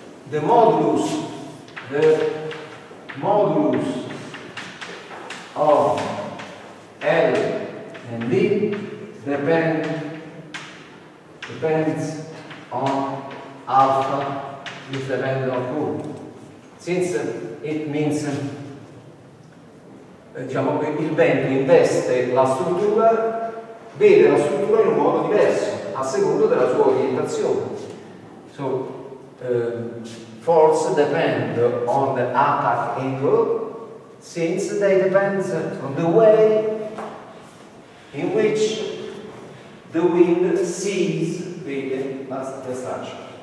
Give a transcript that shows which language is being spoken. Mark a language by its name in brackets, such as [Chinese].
[English] The modulus of L and D depends on alpha with the value of U. Since it means [Italian] diciamo che il vento investe la struttura, vede la struttura in un modo diverso, a seconda della sua orientazione. [English] So, force depend on the attack angle, since they depend on the way in which the wind sees the structure.